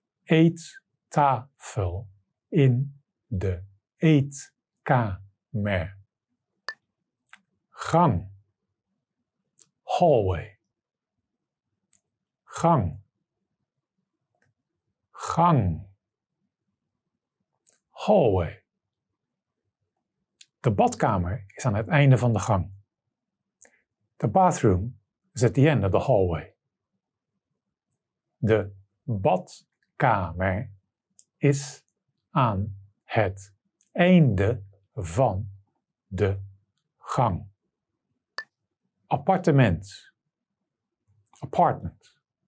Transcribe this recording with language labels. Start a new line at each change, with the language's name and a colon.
Dutch: Eettafel in de eetkamer. Gang. Hallway. Gang. Gang.
English: Hallway.
Dutch: De badkamer is aan het einde van de gang.
English: The bathroom is at the end of the hallway.
Dutch: De badkamer is aan het einde van de gang. Appartement. Apartment.